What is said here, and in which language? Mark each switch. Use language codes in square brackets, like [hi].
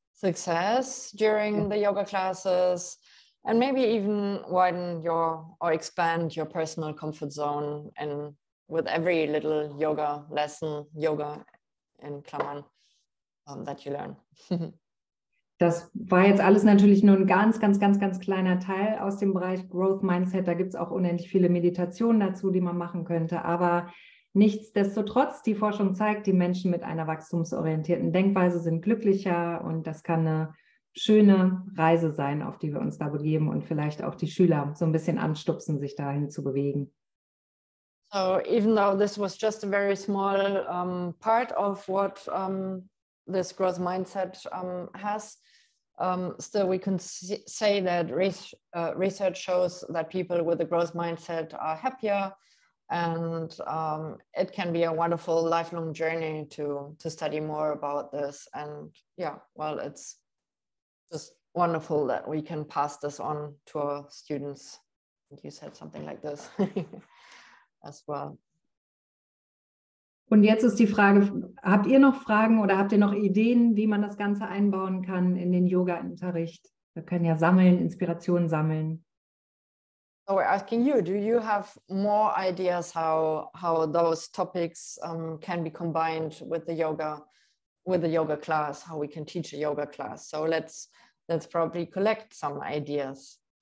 [en] Success during the yoga classes, and maybe even widen your or expand your personal comfort zone. And with every little yoga lesson, yoga [de] in Klammern, [en] that you learn. [de] Das war jetzt alles natürlich nur ein ganz, ganz, ganz, ganz kleiner Teil aus dem Bereich Growth Mindset. Da gibt es auch unendlich viele Meditationen dazu, die man machen könnte. Aber nichtsdestotrotz, die Forschung zeigt, die Menschen mit einer wachstumsorientierten Denkweise sind glücklicher und das kann eine schöne Reise sein, auf die wir uns da begeben und vielleicht auch die Schüler so ein bisschen anstupsen, sich dahin zu bewegen. [en] So, even though this was just a very small part of what this growth mindset has, still we can say that research shows that people with a growth mindset are happier. And it can be a wonderful lifelong journey to study more about this. And yeah, well, it's just wonderful that we can pass this on to our students. You said something like this as well. [de] Und jetzt ist die Frage, habt ihr noch Fragen oder habt ihr noch Ideen, wie man das Ganze einbauen kann in den Yoga-Unterricht? Wir können ja sammeln, Inspiration sammeln. [en] So we're asking you, do you have more ideas how those topics can be combined with the yoga class, how we can teach a yoga class? So let's probably collect some ideas.